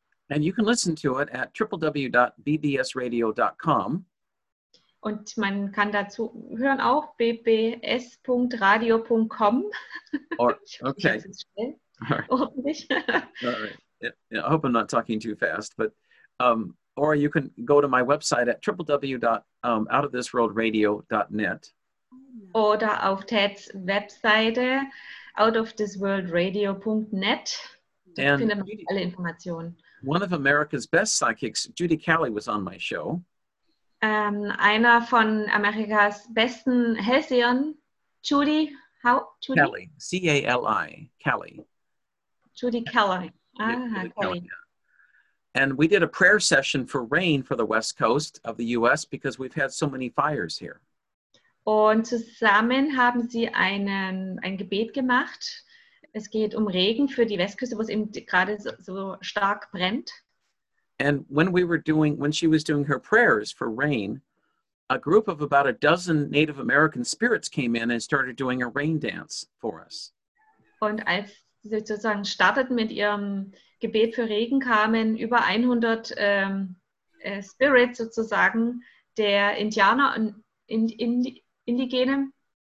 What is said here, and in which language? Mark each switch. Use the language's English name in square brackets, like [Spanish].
[English] And you can listen to it at www.bbsradio.com. [German] Und man kann dazu hören auch bbs.radio.com. [English] Okay. I hope I'm not talking too fast, but. Or you can go to my website at www.outofthisworldradio.net. [German] Oder auf Teds Webseite outofthisworldradio.net. Da findet man alle Informationen. [English] One of America's best psychics, Judy Kelly, was on my show. [German] Einer von Amerikas besten Hellsehern, Judy, how? Judy? [English] Kelly, C-A-L-I, Kelly. Judy Kelly. Yeah, Judy Kelly. Kelly. And we did a prayer session for rain for the west coast of the U.S. because we've had so many fires here. [German] Und zusammen haben sie ein Gebet gemacht. Es geht um Regen für die Westküste, wo es eben gerade so stark brennt. [English] And when she was doing her prayers for rain, a group of about a dozen Native American spirits came in and started doing a rain dance for us. [German] Und als sie sozusagen starteten mit ihrem Gebet für Regen, kamen über 100 Spirits sozusagen der Indianer und Indigene.